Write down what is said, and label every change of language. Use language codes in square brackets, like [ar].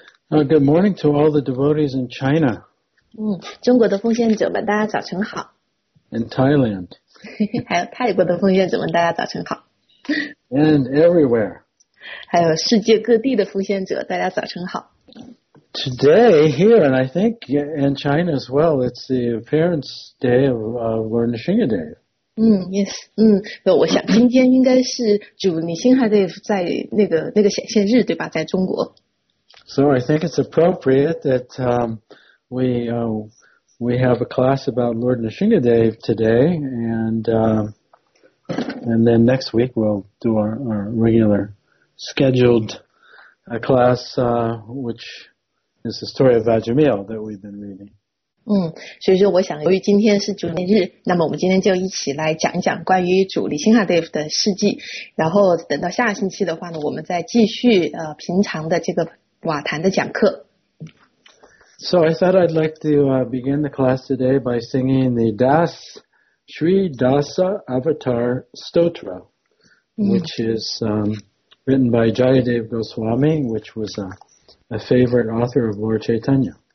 [en] Good morning to all the devotees in China。 [zh] 中国的奉献者们大家早晨好。 [en] In Thailand。 [zh] 还有泰国的奉献者们大家早晨好。 [en] And everywhere。 [zh] 还有世界各地的奉献者，大家早晨好。 [en] Today here, and I think in China as well, it's the appearance day of Varnashinga Dev. Yes. [zh] 我想今天应该是主女星哈德在那个显现日，对吧？在中国。 [en] So I think it's appropriate that we have a class about Lord Narsingha Dev today, and then next week we'll do our regular. Scheduled a class, which is the story of Vajramiya that we've been reading. [zh] 所以说我想由于今天是主年日，那么我们今天就一起来讲一讲关于主李辛哈德夫的事迹，然后等到下星期的话呢，我们再继续平常的这个瓦坛的讲课。 [en] So I thought I'd like to begin the class today by singing the Das Sri Dasa Avatar Stotra, which is written by Jayadev Goswami, which was a favorite author of Lord Chaitanya.